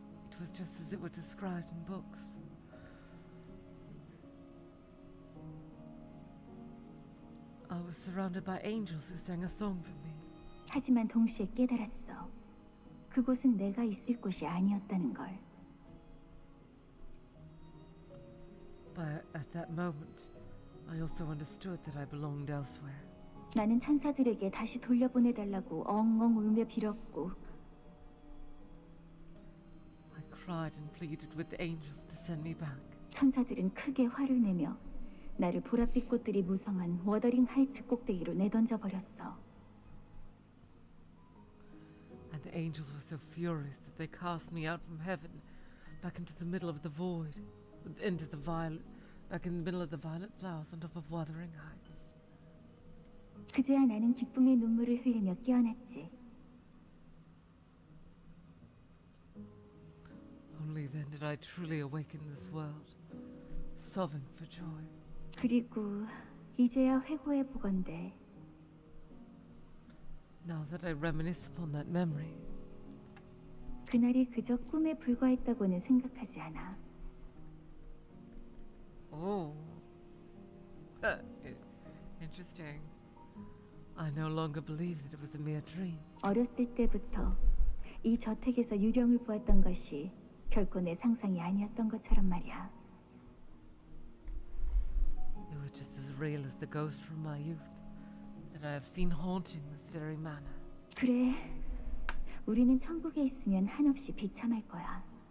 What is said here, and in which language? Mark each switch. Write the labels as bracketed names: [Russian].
[English] It was just as it was described in books I was surrounded by angels who sang a song for me. [Korean] 하지만 동시에 깨달았어. 그곳은 내가 있을 곳이 아니었다는 걸. [English] But at that moment, I also understood that I belonged elsewhere. [Korean] 나는 천사들에게 다시 돌려보내달라고 엉엉 울며 빌었고. [English] I cried and pleaded with the angels to send me back. [Korean] 천사들은 크게 화를 내며 나를 보랏빛 꽃들이 무성한 워더링 하이츠 꼭대기로 내던져 버렸어. [English] And the angels were so furious that they cast me out from heaven, back into the middle of the void, into the violet, back in the middle of the violet flowers on top of Wuthering Heights. [Korean] 그제야 나는 기쁨의 눈물을 흘리며 깨어났지. [English] Only then did I truly awaken this world, sobbing for joy. [Korean] 그리고 이제야 회고해 보건대. [English] Now that I reminisce upon that memory. [Korean] 그날이 그저 꿈에 불과했다고는 생각하지 않아. [English] Oh. Interesting. I no longer believe that it was a mere dream. [Korean] 어렸을 때부터 이 저택에서 유령을 보았던 것이 결코 내 상상이 아니었던 것처럼 말이야. [English] It was just as real as the ghost from my youth that I have seen haunting this very manor. [Korean] 그래. 우리는 천국에 있으면 한없이 비참할 거야.